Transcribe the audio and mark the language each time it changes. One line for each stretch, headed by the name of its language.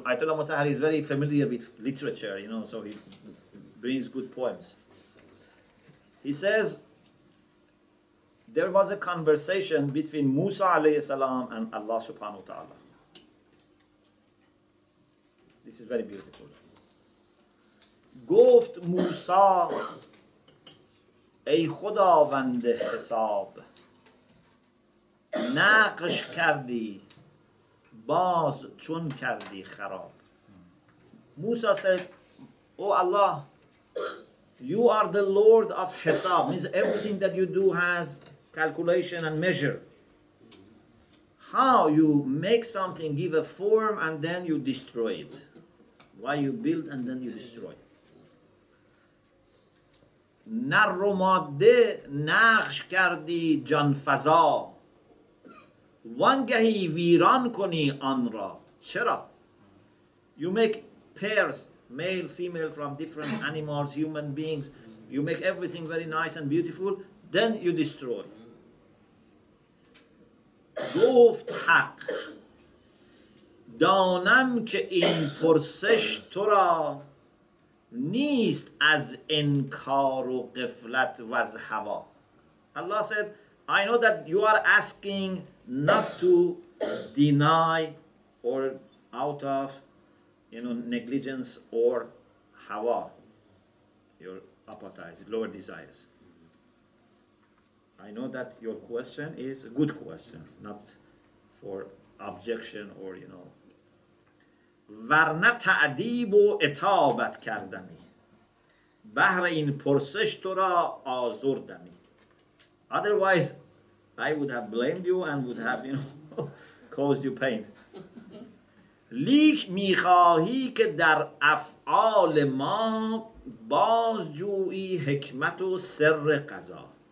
English: Ayatollah Mutahhari is very familiar with literature, you know, so he brings good poems. He says, there was a conversation between Musa alayhi salam and Allah subhanahu wa ta'ala. This is very beautiful.
Persian: Goft Musa, ای خداوند حساب نقش کردی باز چون کردی خراب.
English: Musa said, oh Allah, you are the Lord of Hisab. Means everything that you do has calculation and measure. How you make something, give a form, and then you destroy it. Why you build and then you destroy it.
Persian: نر و ماده نقش کردی جانفزا وانگهی ویران کنی آن را.
English: چرا؟ You make pairs, male, female, from different animals, human beings. You make everything very nice and beautiful. Then you destroy.
Persian: گفت حق دانم که این پرسش تو را نیست از انکار و غفلت و از هوا.
English: Allah said, I know that you are asking not to deny or out of, you know, negligence or hawa, your appetites, lower desires. I know that your question is a good question, not for objection or, you know,
Persian: ورنه تعدیب و اطابت کردمی بهر این پرسش تو را آزردمی.
English: Otherwise, I would have blamed you and would have, you know, caused you pain.
Persian: لیک میخواهی که در افعال ما بازجویی حکمت و سر قضا.